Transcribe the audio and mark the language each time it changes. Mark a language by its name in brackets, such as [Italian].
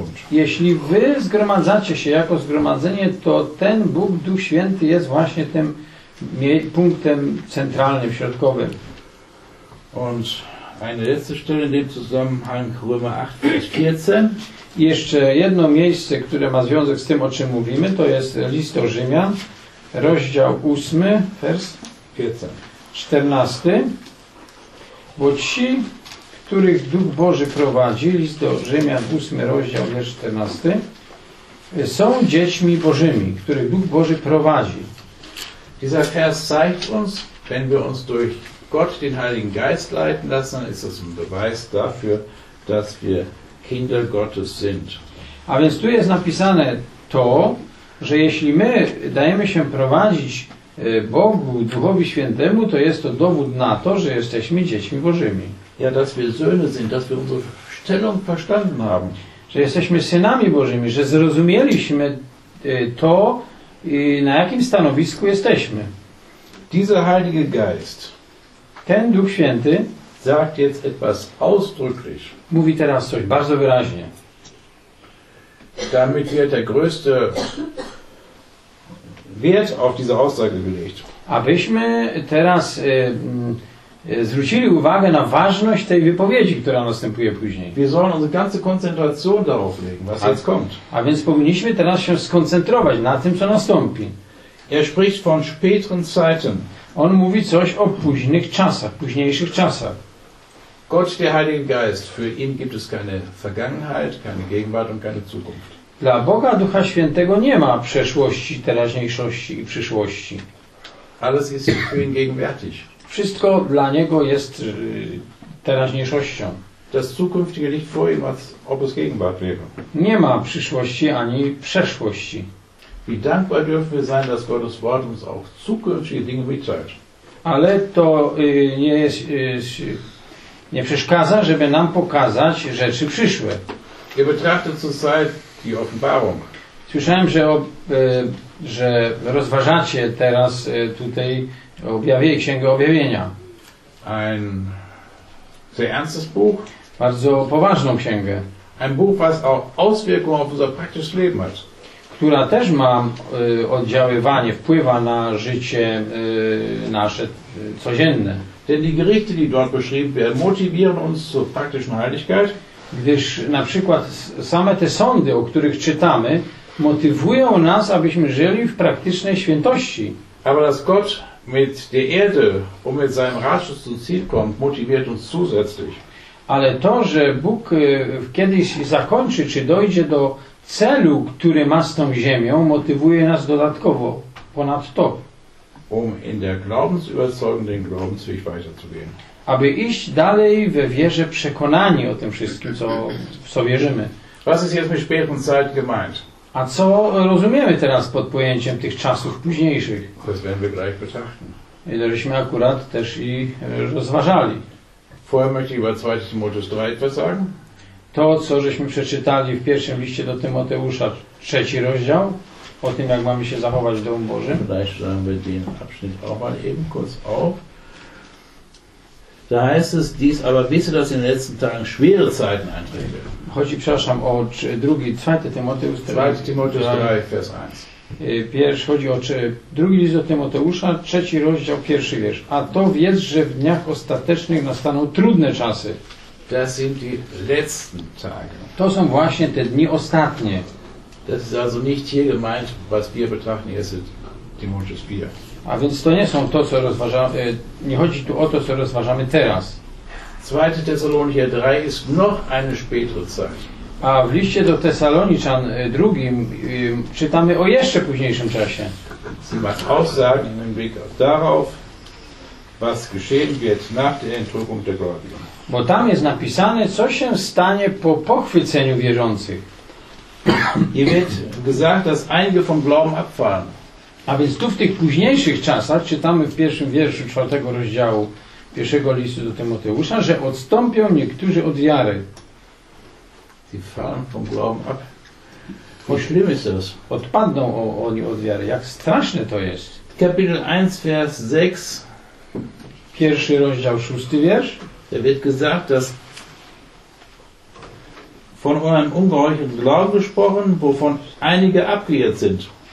[Polish] Jeśli wy zgromadzacie się jako zgromadzenie, to ten Bóg, Duch Święty jest właśnie tym punktem centralnym, środkowym. [German] Und eine letzte Stelle in dem Zusammenhang, Römer 8, Vers 14. [Polish] I jeszcze jedno miejsce, które ma związek z tym, o czym mówimy, to jest List do Rzymian, rozdział 8, vers 14. Bo ci, których Duch Boży prowadzi, List do Rzymian, 8 rozdział, wiersz 14, są dziećmi Bożymi, których Duch Boży prowadzi. [German] Dieser Vers zeigt uns, wenn wir uns durch Gott, den Heiligen Geist leiten lassen, ist das ein Beweis dafür, dass wir Kinder Gottes sind. [Polish] A więc tu jest napisane to, że jeśli my dajemy się prowadzić Bogu, Duchowi Świętemu, to jest to dowód na to, że jesteśmy dziećmi Bożymi. [German] Ja, dass wir Söhne sind, dass wir unsere Stellung verstanden haben. [Polish] Że jesteśmy synami Bożymi, że zrozumieliśmy to, na jakim stanowisku jesteśmy. [German] Dieser Heilige Geist, [Polish] ten Duch Święty, [German] sagt jetzt etwas ausdrücklich, [Polish] mówi teraz coś bardzo wyraźnie. [German] Damit wird der größte Wert auf diese Aussage gelegt. [Polish] Abyśmy teraz zwrócili uwagę na ważność tej wypowiedzi, która następuje później. [German] Wir sollen unsere ganze Konzentration darauf legen, was jetzt kommt. [Polish] A więc powinniśmy teraz się skoncentrować na tym, co nastąpi. [German] Er spricht von späteren Zeiten. [Polish] On mówi coś o późnych czasach, późniejszych czasach. [German] Gott, der Heilige Geist, für ihn gibt es keine Vergangenheit, keine Gegenwart und keine Zukunft. [Polish] Dla Boga Ducha Świętego nie ma przeszłości, teraźniejszości i przyszłości. [German] Alles ist für ihn gegenwärtig. [Polish] Wszystko dla niego jest teraźniejszością. [German] Das zukünftige liegt vor ihm, als ob es Gegenwart wäre. [Polish] Nie ma przyszłości ani przeszłości. [German] Wie dankbar dürfen wir sein, dass Gottes Wort uns auch zukünftige Dinge mitteilt. [Polish] Ale to nie jest, nie przeszkadza, żeby nam pokazać rzeczy przyszłe. [German] Ihr betrachtet zurzeit die Offenbarung. [Polish] Słyszałem, że rozważacie teraz tutaj Księgę Objawienia. [German] Ein sehr ernstes Buch. [Polish] Bardzo poważną księgę. [German] Ein Buch, was auch Auswirkungen auf unser praktisches Leben hat. [Polish] Która też ma oddziaływanie, wpływa na życie nasze codzienne. [German] Denn die Gerichte, die dort beschrieben werden, motivieren uns zur praktischen Heiligkeit. [Polish] Gdyż na przykład same te sądy, o których czytamy, motywują nas, abyśmy żyli w praktycznej świętości. [German] Aber dass Gott mit der Erde, um mit seinem Ratschluss zum Ziel kommt, motiviert uns zusätzlich. [Polish] Ale to, że Bóg kiedyś zakończy, czy dojdzie do celu, który ma z tą ziemią, motywuje nas dodatkowo, ponad to. [German] Um in der Glaubensüberzeugung den Glaubensweg weiterzugehen. [Polish] Aby iść dalej we wierze przekonani o tym wszystkim, w co wierzymy. [German] Was ist jetzt mit späten Zeit gemeint? [Polish] A co rozumiemy teraz pod pojęciem tych czasów późniejszych? [German] Das werden wir gleich betrachten. [Polish] I żeśmy akurat też i rozważali. [German] Vorher möchte ich über 2. Timotheus 3 etwas sagen. [Polish] To, co żeśmy przeczytali w pierwszym liście do Tymoteusza, 3 rozdział, o tym, jak mamy się zachować w Domu Bożym. [German] Vielleicht sagen wir den Abschnitt auch mal eben kurz auf. Da heißt es dies, aber wisse, dass in den letzten Tagen schwere Zeiten eintreten. [Polish] Chodzi, przepraszam, o 2. Tymoteusz 3. Tymoteusz 3, vers 1. Pierwszy, chodzi o 2. list do Tymoteusza, 3. rozdział, 1. wiersz. A to wiedz, że w dniach ostatecznych nastaną trudne czasy. [German] Das sind die letzten Tage. [Polish] To są właśnie te dni ostatnie. [German] Das ist also nicht hier gemeint, was wir betrachten, ist Timotheus 4. [Polish] A więc to nie są to, co rozważamy, nie chodzi tu o to, co rozważamy teraz. [German] 2. Thessalonicher 3 ist noch eine spätere Zeit. [Polish] A w liście do Tesaloniczan drugim czytamy o jeszcze późniejszym czasie. [German] Sie macht Aussagen im Blick darauf, was geschehen wird nach der Entrückung der Gläubigen. [Polish] Bo tam jest napisane, co się stanie po pochwyceniu wierzących. [German] Hier wird gesagt, dass einige vom Glauben abfallen. [Polish] A więc tu w tych późniejszych czasach, czytamy w pierwszym wierszu 4 rozdziału 1 listu do Tymoteusza, że odstąpią niektórzy od wiary. [German] Die fallen vom Glauben ab. Wie schlimm ist das? [Polish] Odpadną oni od wiary. Jak straszne to jest. [German] Kapitel 1, vers 6. [Polish] Pierwszy rozdział, szósty wiersz. [German] Da wird gesagt, dass von eurem ungehorchten Glauben gesprochen, wovon einige abgeirrt sind.